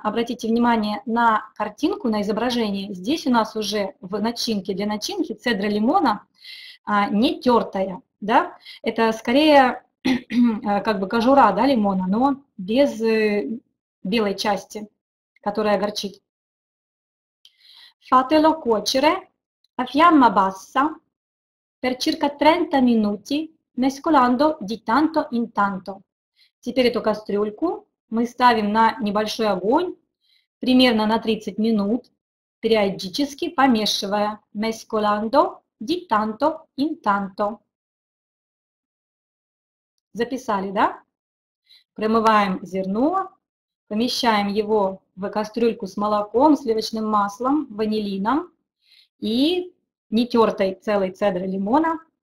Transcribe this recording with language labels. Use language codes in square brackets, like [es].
[ru] Обратите внимание на картинку, на изображение. Здесь у нас уже в начинке, для начинки цедра лимона не тертая, да. Это скорее как бы кожура, да, лимона, но без белой части, которая горчит. [it] Fatelo cuocere a fiamma bassa per circa 30 minuti, mescolando di tanto in tanto. [ru] Теперь эту кастрюльку мы ставим на небольшой огонь, примерно на 30 минут, периодически помешивая, [it] mescolando di tanto in tanto. [ru] Записали, да? Промываем зерно, помещаем его в кастрюльку с молоком, сливочным маслом, ванилином и нетертой целой цедрой лимона.